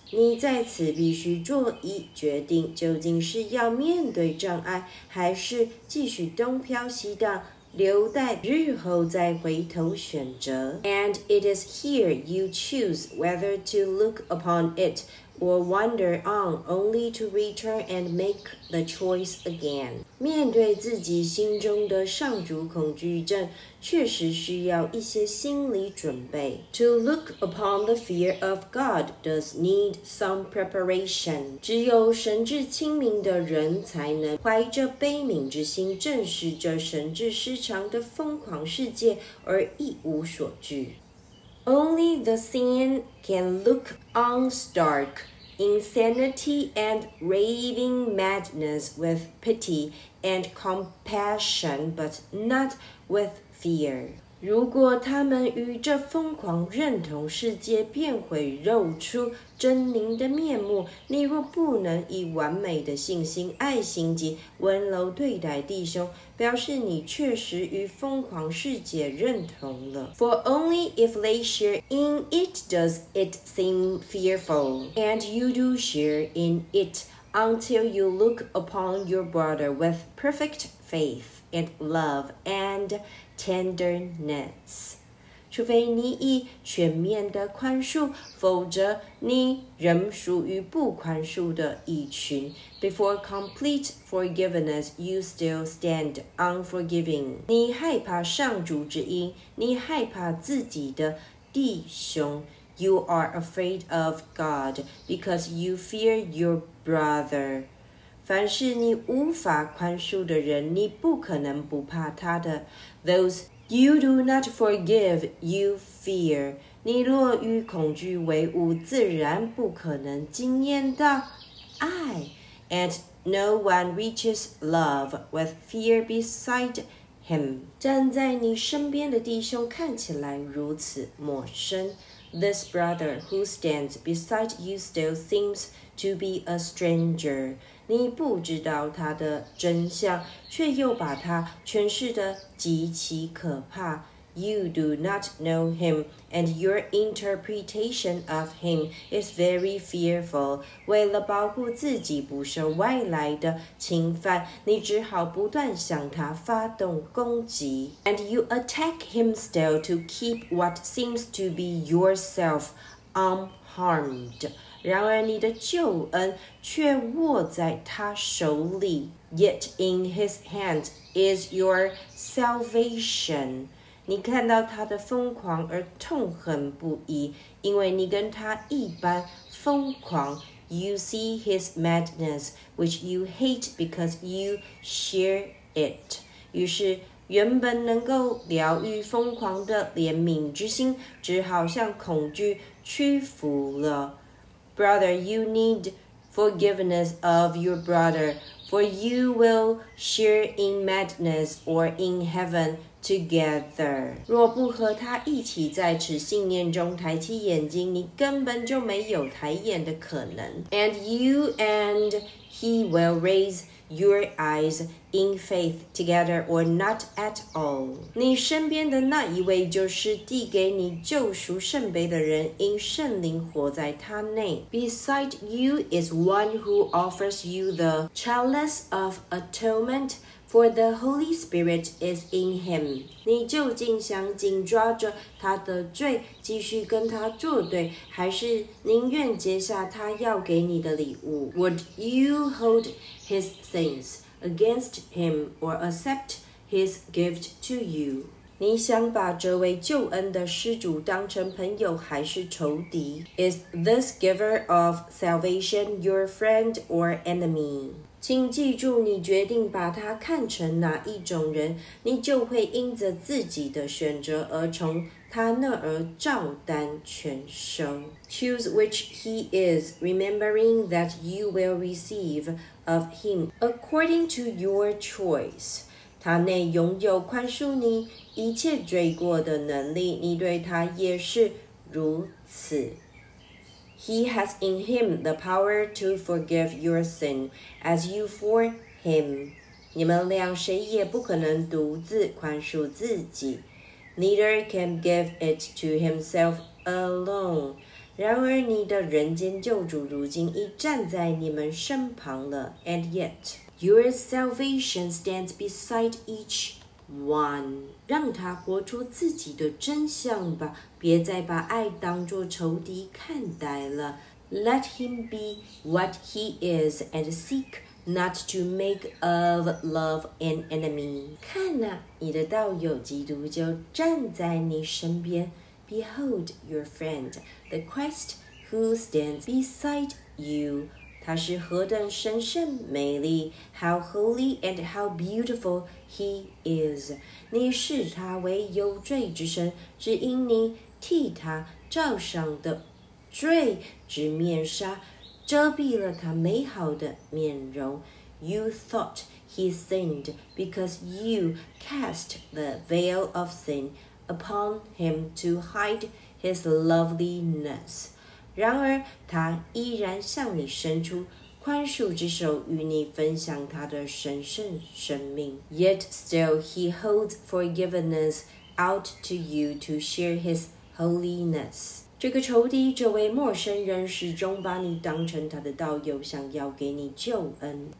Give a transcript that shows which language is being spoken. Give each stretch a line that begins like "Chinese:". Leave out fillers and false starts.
Chinese: 你在此必须做一决定，究竟是要面对障碍，还是继续东飘西荡，留待日后再回头选择。
English: And it is here you choose whether to look upon it. Or wander on, only to return and make the choice again.
Chinese: 面对自己心中的上主恐惧症，确实需要一些心理准备。
English: To look upon the fear of God does need some preparation.
Chinese: 只有神智清明的人才能怀着悲悯之心，正视着神智失常的疯狂世界而一无所惧。
English: Only the sane can look on stark insanity and raving madness with pity and compassion, but not with fear.
Chinese: 如果他们与这疯狂认同世界便会露出狰狞的面目，你若不能以完美的信心、爱心及温柔对待弟兄，表示你确实与疯狂世界认同了。
English: For only if they share in it does it seem fearful, and you do share in it until you look upon your brother with perfect faith and love and tenderness.
Chinese: 除非你以全面的宽恕，否则你仍属于不宽恕的一群。
English: Before complete forgiveness, you still stand unforgiving.
Chinese: 你害怕上主之音，你害怕自己的弟兄。
English: You are afraid of God because you fear your brother.
Chinese: 凡是你无法宽恕的人，你不可能不怕他的。
English: Those you do not forgive, you fear.
Chinese: 你若与恐惧为伍，自然不可能经验到爱。
English: And no one reaches love with fear beside him.
Chinese: 站在你身边的弟兄看起来如此陌生。
English: This brother who stands beside you still seems to be a stranger.
Chinese: 你不知道他的真相，却又把他诠释得极其可怕。
English: You do not know him, and your interpretation of him is very fearful.
Chinese: 为了保护自己不受外来的侵犯，你只好不断向他发动攻击。
English: And you attack him still to keep what seems to be yourself unharmed.
Chinese: 然而你的救恩却握在他手里。
English: Yet in his hand is your salvation.
Chinese: 你看到他的疯狂而痛恨不已，因为你跟他一般疯狂。
English: You see his madness, which you hate because you share it.
Chinese: 于是，原本能够疗愈疯狂的怜悯之心，只好向恐惧屈服了。
English: Brother, you need forgiveness of your brother, for you will share in madness or in heaven. Together.
Chinese: 若不和他一起在此信念中抬起眼睛，你根本就没有抬眼的可能。
English: And you and he will raise your eyes in faith together or not at all.
Chinese: 你身边的那一位就是递给你救赎圣杯的人，因圣灵活在他内。
English: Beside you is one who offers you the chalice of atonement. For the Holy Spirit is in him.
Chinese: 你究竟想紧抓着他的罪，继续跟他作对，还是宁愿接下他要给你的礼物？
English: Would you hold his sins against him or accept his gift to you?
Chinese: 你想把这位救恩的施主当成朋友还是仇敌？
English: Is this giver of salvation your friend or enemy?
Chinese: 请记住，你决定把他看成哪一种人，你就会因着自己的选择而从他那儿照单全收。
English: Choose which he is, remembering that you will receive of him according to your choice.
Chinese: 他内拥有宽恕你一切罪过的能力，你对他也是如此。
English: He has in him the power to forgive your sin as you for him.
Chinese: 你们俩谁也不可能独自宽恕自己。
English: Neither can give it to himself alone.
Chinese: 然而你的人间救主如今已站在你们身旁了。
English: And yet, your salvation stands beside each one.
Chinese: 让他活出自己的真相吧，别再把爱当作仇敌看待了。
English: Let him be what he is and seek not to make of love an enemy.
Chinese: 看哪，你的道友基督就站在你身边。
English: Behold your friend, the Christ who stands beside you.
Chinese: 他是何等神圣美丽，
English: how holy and how beautiful he is.
Chinese: 你视他为有罪之神，只因你替他罩上的罪之面纱，遮蔽了他美好的面容。
English: You thought he sinned because you cast the veil of sin upon him to hide his loveliness.
Chinese: 然而他依然向你伸出宽恕之手，与你分享他的神圣生命。
English: Yet still he holds forgiveness out to you to share his holiness.
Chinese: 这个仇敌，这位陌生人，始终把你当成他的道友，想要给你救恩。